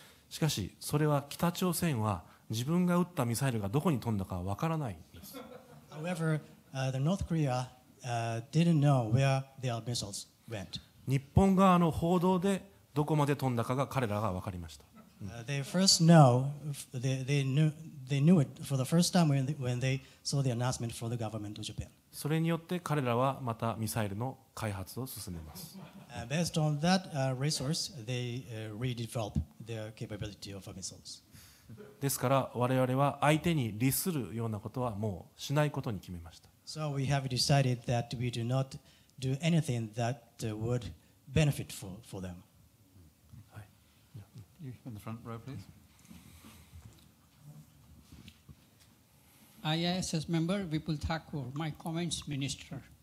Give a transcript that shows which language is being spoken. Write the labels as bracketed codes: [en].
[ja] しかし、それは北朝鮮は自分が撃ったミサイルがどこに飛んだかわからないんです。 [en] However, the North Korea didn't know where their missiles went. [ja] 日本側の報道でどこまで飛んだかが彼らがわかりました。 [en] They first know, they knew it for the first time when they saw the announcement from the government of Japan. [ja] それによって彼らはまたミサイルの開発を進めます。 [en] Based on that resource, they redeveloped their capability of missiles. [ja] ですから我々は相手に利するようなことはもうしないことに決めました。 [en] So we have decided that we do not do anything that would benefit for them. In the front row, please. IISS member Vipul Thakur, my comments, Minister.